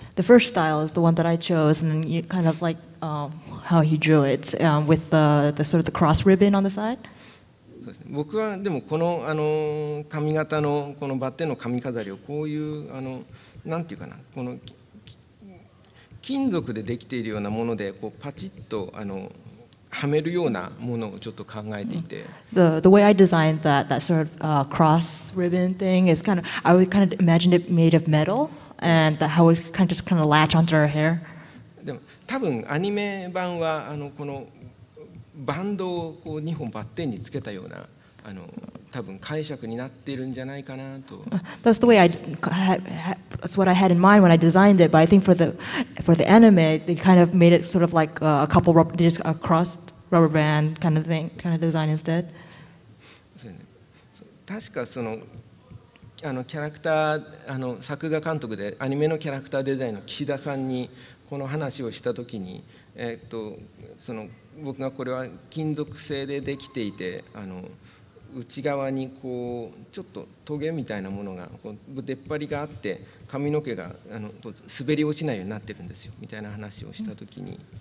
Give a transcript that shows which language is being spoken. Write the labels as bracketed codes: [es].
[en] The first style is the one that I chose, and you kind of like how he drew it with the sort of the cross ribbon on the side. [ja] 僕はでもこのあの髪型のこのバッテンの髪飾りをこういうあのなんていうかな、この金属でできているようなものでこうパチッとあのはめるようなものをちょっと考えていて。 [en] The way I designed that sort of cross ribbon thing is kind of I would kind of imagine it made of metal. And that how it kind of just kind of latch onto her hair. [ja] でも多分アニメ版はあのこのバンドをこう2本バッテンにつけたようなあの多分解釈になっているんじゃないかなと。 [en] That's the way that's what I had in mind when I designed it. But I think for the anime, they kind of made it sort of like a couple rubber, just a crossed rubber band kind of thing, kind of design instead. [ja] 確かその。あのキャラクターあの作画監督でアニメのキャラクターデザインの岸田さんにこの話をした時に、その僕がこれは金属製でできていてあの内側にこうちょっとトゲみたいなものがこう出っ張りがあって髪の毛があの滑り落ちないようになってるんですよみたいな話をした時に。